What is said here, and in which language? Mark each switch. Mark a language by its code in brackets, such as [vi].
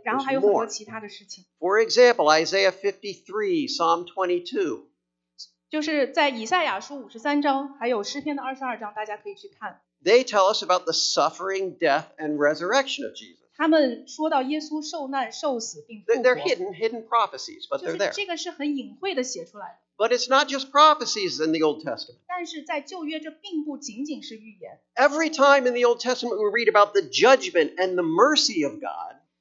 [zh] 然后还有很多其他的事情。 [en] For example, Isaiah 53, Psalm 22. [zh] 就是在以赛亚书53章，还有诗篇的22章，大家可以去看。 [en] They tell us about the suffering, death, and resurrection of Jesus. [zh] 他们说到耶稣受难、受死并复活。 [en] They're hidden prophecies, but they're there. [zh] 就是这个是很隐晦的写出来的。 [en] But it's not just prophecies in the Old Testament. [zh] 但是在旧约这并不仅仅是预言。 [en] Every time in the Old Testament we read about the judgment and the mercy of God,